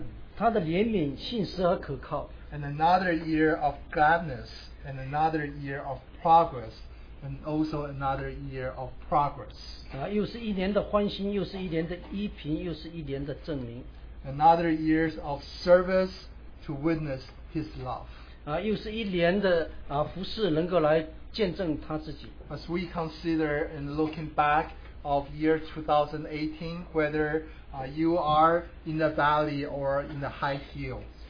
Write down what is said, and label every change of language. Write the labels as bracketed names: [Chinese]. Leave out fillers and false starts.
[Chinese] 就像我们这首歌呢所唱的呢，又是新的一年呢，祂的怜悯、信实和可靠。 [English] And another year of gladness, and another year of progress, and also another year of progress. [Chinese] 又是一年的欢欣，又是一年的依凭，又是一年的证明。 [English] Another year of service to witness His love. [Chinese] 又是一年的服侍能够来见证他自己。 [English] As we consider and looking back of year 2018, whether you are in the valley or in the high hill.